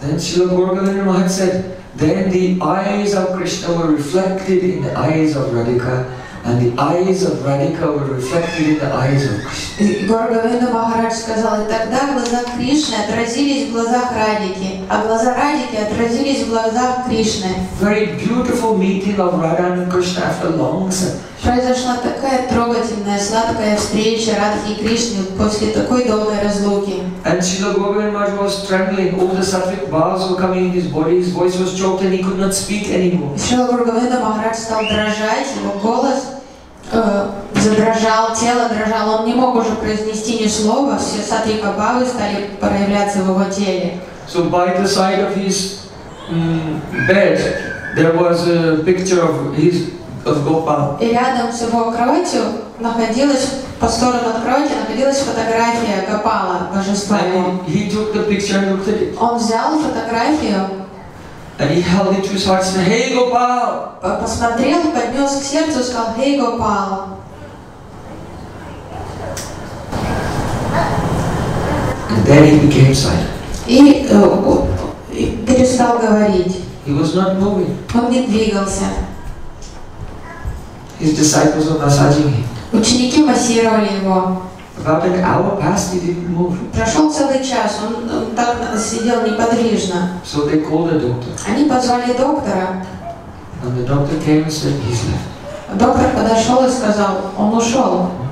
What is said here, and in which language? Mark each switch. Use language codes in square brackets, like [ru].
[en] Then Srila Gaura Maharaj said, then the eyes of Krishna were reflected in the eyes of Radhika. And the eyes of Radhika were reflected in the eyes of Krishna. [ru] Гаура Говинда Махарадж сказал, и тогда глаза Кришны отразились в глазах Радики, а глаза Радики отразились в глазах Кришны. [en] Very beautiful meeting of Radha and Krishna after long search. [ru] Произошла такая трогательная, сладкая встреча Радхи и Кришны после такой долгой разлуки. [en] And Srila Gaura Maharaj was trembling. All the sattvic bhavas were coming in his body. His voice was choked and he could not speak anymore. [ru] Srila Gaura Govinda Maharaj стал дрожать. Его голос задрожал, тело дрожало. Он не мог уже произнести ни слова. Все сатвик бхавы стали проявляться в его теле. [en] So by the side of his bed, there was a picture of his of Gopal. [ru] И рядом с его кроватью находилась по сторону от кровати находилась фотография Гопала, божества его. [en] He took the picture and looked at it. [ru] Он взял фотографию. [en] And he held it to his heart and said, "Hey, Gopal!" [ru] Посмотрел, поднес к сердцу, сказал, [en] "Hey, Gopal!" And then he became silent. [ru] И перестал говорить. [en] He was not moving. [ru] Он не двигался. [en] His disciples were massaging him. [ru] Ученики массировали его. [en] About an hour past, he didn't move. [ru] Прошел целый час, он так сидел неподвижно. [en] So they called a doctor. [ru] Они позвали доктора. [en] And the doctor came and said, "He's left." [ru] Доктор подошел и сказал, он ушел.